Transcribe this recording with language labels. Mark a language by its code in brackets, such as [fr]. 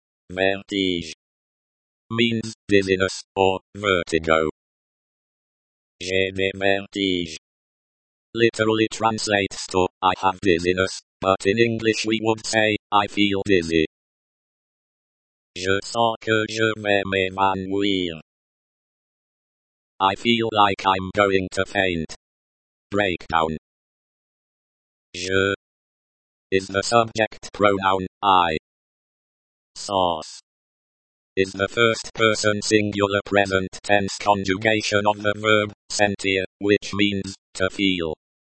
[en] Vertige means dizziness or vertigo. [fr] J'ai des vertiges. [en] Literally translates to, I have dizziness, but in English we would say, I feel dizzy. [fr] Je sens que je vais m'évanouir. [en] I feel like I'm going to faint. Breakdown. Je is the subject pronoun, I. Sens is the first person singular present tense conjugation of the verb, sentir, which means, to feel.